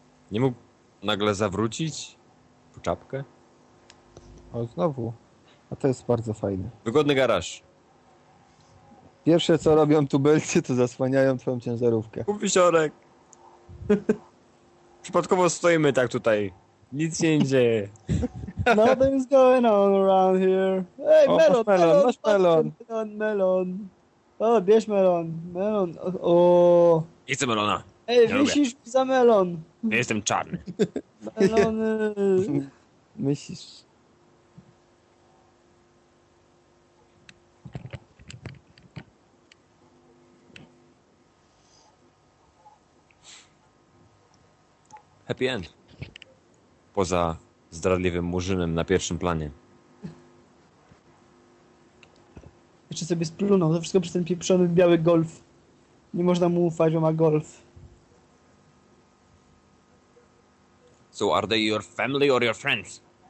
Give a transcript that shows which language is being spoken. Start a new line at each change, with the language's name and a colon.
Polish: Nie mógł nagle zawrócić po czapkę? O, znowu. A to jest bardzo fajne. Wygodny garaż. Pierwsze, co robią tubelcy, to zasłaniają twoją ciężarówkę. Kup wisiorek. Przypadkowo stoimy tak tutaj. Nic się nie dzieje.
English: Nothing's going on around here.
Polish: Ej, o, melon, melon, masz melon. Melon, melon. O, bierz melon. Melon, o. Nie chcę melona. Ej, wisisz mi za melon. Ja jestem czarny. Melony. Myślisz.
English: Happy end.
Polish: Poza zdradliwym murzynem na pierwszym planie. Jeszcze sobie splunął. To wszystko przez ten pieprzony biały golf. Nie można mu ufać, bo ma golf.
English: So are they your family or your friends?